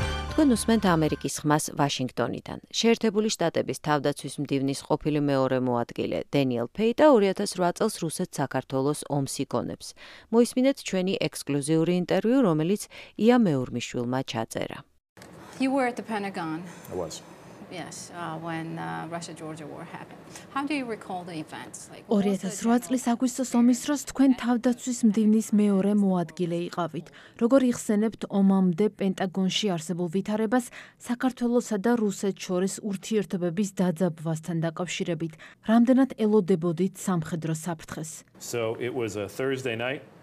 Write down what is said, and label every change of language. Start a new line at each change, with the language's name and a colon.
Georgian: თქვენ უსმენთ ამერიკის ხმას ვაშინგტონიდან. შეერთებული შტატების თავდაცვის მდივნის ყოფილი მეორე მოადგილე დენიელ ფეიტა 2008 წელს რუსეთ-საქართველოს ომს იგონებს. მოისმინეთ ჩვენი ექსკლუზიური ინტერვიუ, რომელიც ია მეურმიშვილმა ჩაწერა.
English: You were at the Pentagon. I was. Yes, when Russia-Georgia war happened. How do you recall the events?
Georgian: Like 2008 წლის აგვისტოს ომის დროს თქვენ თავდაცვის მდივნის მეორე მოადგილე იყავით. როგორ იხსენებთ ომამდე პენტაგონში არსებულ ვითარებას საქართველოსა და რუსეთ შორის ურთიერთობების დაძაბვასთან დაკავშირებით? რამდენად ელოდებოდით სამხედრო საფრთხეს?
English: So it was a Thursday night.